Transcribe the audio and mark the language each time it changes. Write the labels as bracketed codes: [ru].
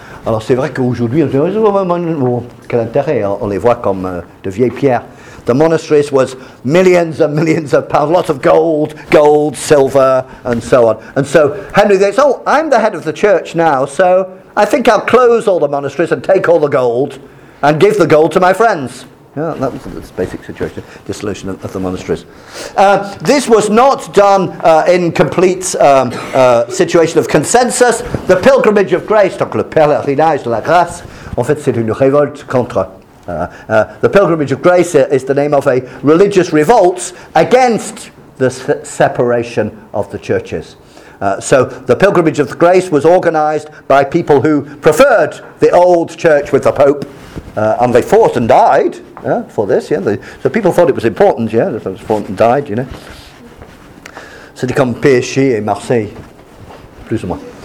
[fr] Alors c'est vrai qu'aujourd'hui, quel intérêt, on les voit comme de vieilles pierres. [en] The monasteries was millions and millions of pounds, lots of gold, silver, and so on. And so Henry VIII says, oh, I'm the head of the church now, so I think I'll close all the monasteries and take all the gold and give the gold to my friends. Yeah, that was the basic situation, dissolution of the monasteries. This was not done in complete situation of consensus. [fr] The Pilgrimage of Grace, donc le pèlerinage de la grâce, en fait c'est une révolte contre. [en] The Pilgrimage of Grace is the name of a religious revolt against the separation of the churches. So the Pilgrimage of Grace was organized by people who preferred the old church with the Pope, and they fought and died For this, yeah. So people thought it was important, yeah. It was important, died, you know. [fr] C'est comme PSG et Marseille, plus ou moins.